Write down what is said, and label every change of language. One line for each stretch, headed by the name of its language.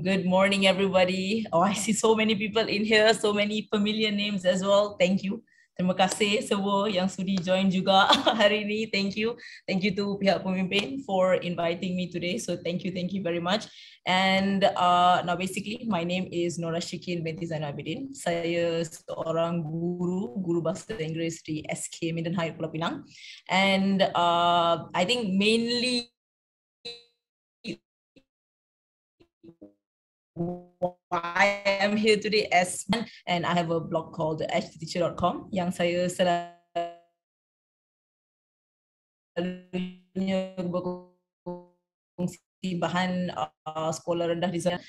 English: Good morning everybody. Oh, I see so many people in here, so many familiar names as well. Thank you.
Malay: Terima kasih semua yang sudi join juga hari ini.
English: Thank you. Thank you to pihak pemimpin for inviting me today. So thank you very much. And now basically my name is Nora Shikin binti Zainal Abidin.
Malay: Saya seorang guru bahasa Inggeris di SK Minden High Pulau Pinang.
English: And I think mainly why I'm here today as and I have a blog called htteacher.com
Malay: yang saya selalunya berkongsi bahan sekolah rendah di sana.